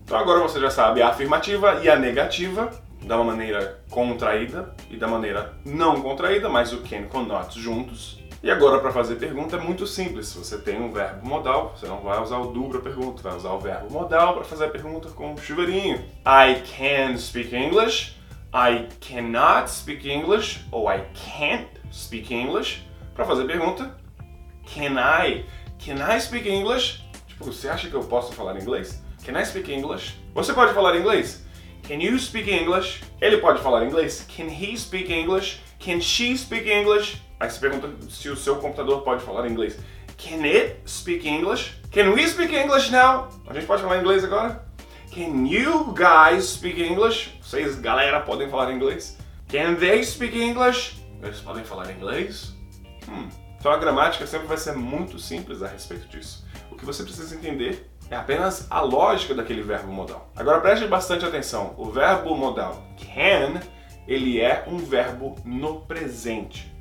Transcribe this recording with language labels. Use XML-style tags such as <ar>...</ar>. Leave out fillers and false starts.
<pt>Então agora você já sabe a afirmativa e a negativa, da maneira contraída e da maneira não contraída, mas o can com not juntos. E agora para fazer pergunta é muito simples, você tem um verbo modal, você não vai usar o do para pergunta, vai usar o verbo modal para fazer a pergunta com o chuveirinho.</pt> <en>I can speak English, I cannot speak English, ou I can't speak English,</en> <pt>para fazer pergunta,</pt> <en>can I? Can I speak English?</en> <pt>Tipo, você acha que eu posso falar inglês?</pt> <en>Can I speak English?</en> <pt>Você pode falar inglês?</pt> <en>Can you speak English?</en> <pt>Ele pode falar inglês?</pt> <en>Can he speak English? Can she speak English?</en> <pt>Aí você pergunta se o seu computador pode falar inglês.</pt> <en>Can it speak English? Can we speak English now?</en> <pt>A gente pode falar inglês agora?</pt> <en>Can you guys speak English?</en> <pt>Vocês, galera, podem falar inglês?</pt> <en>Can they speak English?</en> <pt>Eles podem falar inglês? Então a gramática sempre vai ser muito simples a respeito disso. O que você precisa entender é apenas a lógica daquele verbo modal. Agora preste bastante atenção. O verbo modal can, ele é um verbo no presente.</pt>